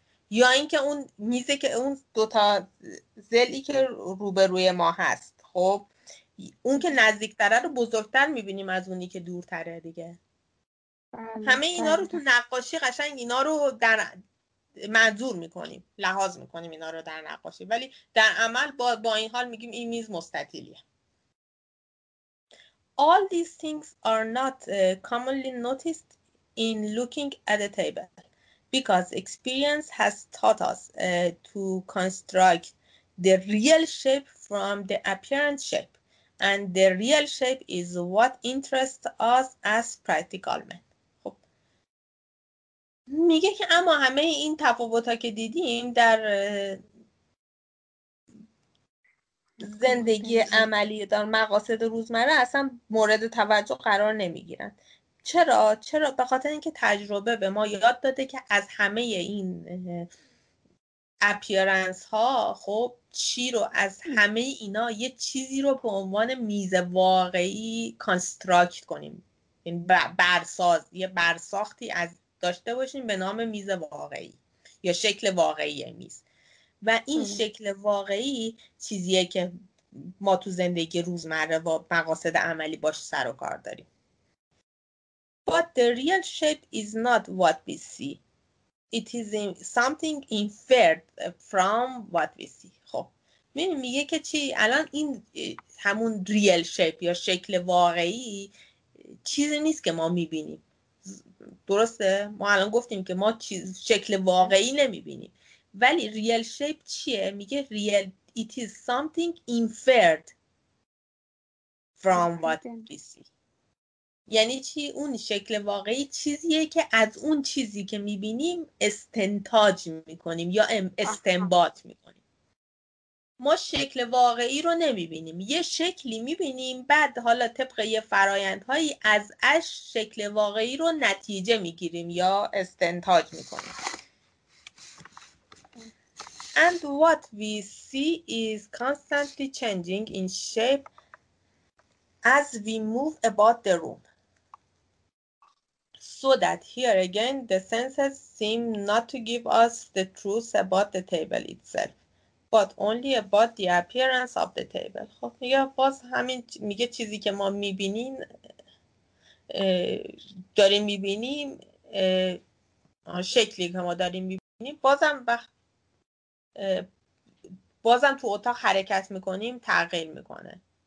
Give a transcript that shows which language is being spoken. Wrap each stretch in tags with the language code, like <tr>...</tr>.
<fa>یا اینکه اون میزی که اون دوتا ضلعی که روبروی ما هست، خب اون که نزدیکتره رو بزرگتر میبینیم از اونی که دورتره دیگه. بله، همه اینا رو تو نقاشی قشنگ اینا رو در منظور میکنیم، لحاظ میکنیم اینا رو در نقاشی، ولی در عمل با این حال میگیم این میز مستطیلیه.</fa> <en>All these things are not commonly noticed in looking at a table because experience has taught us to construct the real shape from the apparent shape. And the real shape is what interests us as practical men.</en> <fa>خب میگه که اما همه این تفاوت‌ها که دیدیم در زندگی عملی در مقاصد روزمره اصلا مورد توجه قرار نمیگیرن. چرا؟ چرا؟ به خاطر اینکه تجربه به ما یاد داده که از همه این اپیرنس ها، خب چی رو از همه اینا یه چیزی رو به عنوان میز واقعی کانستراکت کنیم، یعنی برساز یه برساختی از داشته باشیم به نام میز واقعی یا شکل واقعی میز، و این شکل واقعی چیزیه که ما تو زندگی روزمره و مقاصد عملی باش سر و کار داریم.</fa> <en>But the real shape is not what we see. It is something inferred from what we see.</en> <fa>خب میبینی میگه که چی؟ الان این همون real shape یا شکل واقعی چیزی نیست که ما میبینیم، درسته؟ ما الان گفتیم که ما شکل واقعی نمیبینیم، ولی real shape چیه؟ میگه</fa> <en>real it is something inferred from what we see.</en> <fa>یعنی چی؟ اون شکل واقعی چیزیه که از اون چیزی که میبینیم استنتاج میکنیم یا استنباط میکنیم. ما شکل واقعی رو نمیبینیم، یه شکلی میبینیم، بعد حالا طبق یه فرایندهایی از اش شکل واقعی رو نتیجه میگیریم یا استنتاج میکنیم.</fa> <en>And what we see is constantly changing in shape as we move about the room. so that here again the senses seem not to give us the truth about the table itself but only about the appearance of the table.</en> <fa>خب میگه باز همین میگه چیزی که ما میبینیم داریم میبینیم شکلی که ما داریم میبینیم بازم بازم تو اتاق حرکت میکنیم تغییر میکنه.</fa>